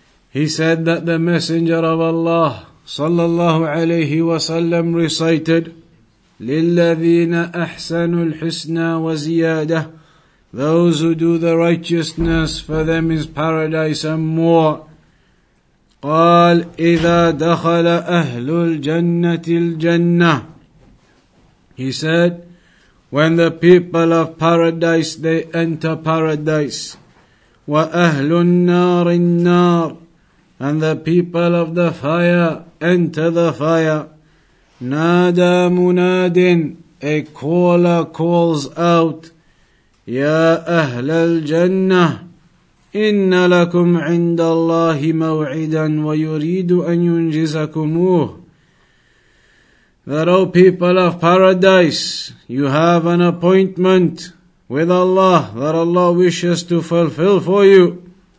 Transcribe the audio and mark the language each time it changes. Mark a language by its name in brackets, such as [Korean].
[English] He said that the Messenger of Allah صلى الله عليه وسلم recited, [Arabic] للذين أحسنوا الحسنى وزيادة. [English] Those who do the righteousness, for them is paradise and more. [Arabic] قال إذا دخل أهل الجنة الجنة. [English] He said, when the people of paradise, they enter paradise, [Arabic] وَأَهْلُ النَّارِ النَّارِ [English] And the people of the fire enter the fire. [Arabic] نَادَى مُنَادٍ [English] A caller calls out, [Arabic] يَا أَهْلَ الْجَنَّةِ إِنَّ لَكُمْ عِنْدَ اللَّهِ مَوْعِدًا وَيُرِيدُ أَنْ يُنْجِزَكُمُوهُ [English] That, O people of paradise, you have an appointment with Allah that Allah wishes to fulfill for you.